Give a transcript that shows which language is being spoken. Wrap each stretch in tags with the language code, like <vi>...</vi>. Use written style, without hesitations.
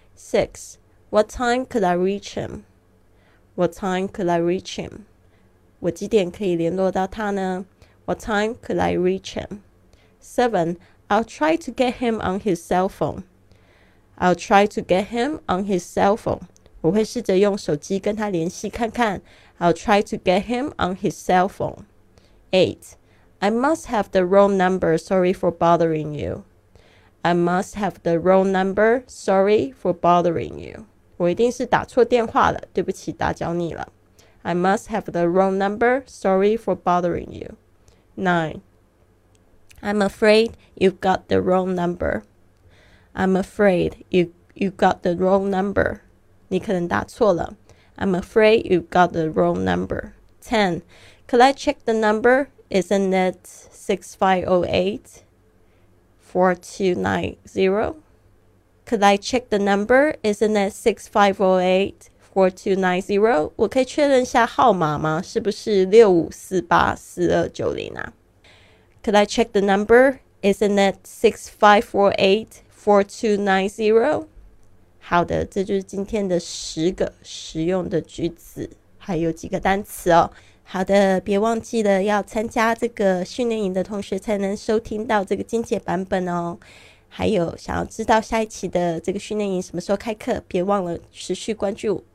<en>Six, what time could I reach him? What time could I reach him?</en> <zh>我几点可以联络到他呢？</zh> <en>What time could I reach him? Seven, I'll try to get him on his cell phone. I'll try to get him on his cell phone.</en> <zh>我会试着用手机跟他联系看看。</zh> <en>I'll try to get him on his cell phone. Eight, I must have the wrong number. Sorry for bothering you. I must have the wrong number. Sorry for bothering you.</en> <zh>我一定是打错电话了，对不起，打搅你了。</zh> <en>I must have the wrong number. Sorry for bothering you. 9. I'm afraid you've got the wrong number. I'm afraid you got the wrong number.</en> <zh>你可能打错了。</zh> <en>I'm afraid you've got the wrong number. 10. Could I check the number? Isn't it 6508 4290? Could I check the number? Isn't it 6508?</en> <zh>4290，我可以确认一下号码吗？是不是65484290啊？</zh> <en>Could I check the number? Isn't it 6548 4290？</en> <zh>好的，这就是今天的十个实用的句子，还有几个单词哦。好的，别忘记了要参加这个训练营的同学才能收听到这个精简版本哦。还有，想要知道下一期的这个训练营什么时候开课，别忘了持续关注。</zh>